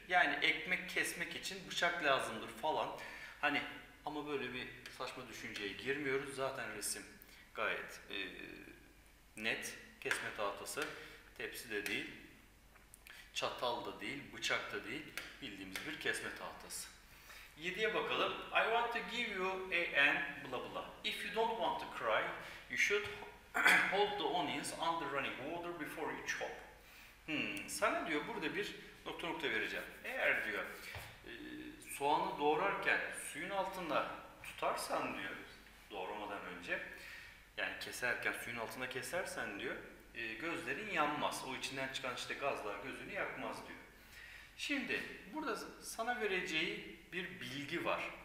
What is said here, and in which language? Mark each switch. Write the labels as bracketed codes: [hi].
[tr] Yani ekmek kesmek için bıçak lazımdır falan. Hani ama böyle bir saçma düşünceye girmiyoruz. Zaten resim gayet net. Kesme tahtası tepsi de değil, çatal da değil, bıçak da değil. Bildiğimiz bir kesme tahtası. 7'ye bakalım. [en] I want to give you a an blah blah. If you don't want to cry, you should hold the onions under running water before you chop. [tr] Sana diyor burada bir nokta nokta vereceğim. Eğer diyor soğanı doğrarken suyun altında tutarsan diyor doğramadan önce yani keserken suyun altında kesersen diyor gözlerin yanmaz. O içinden çıkan işte gazlar gözünü yakmaz diyor. Şimdi burada sana vereceği bir bilgi var.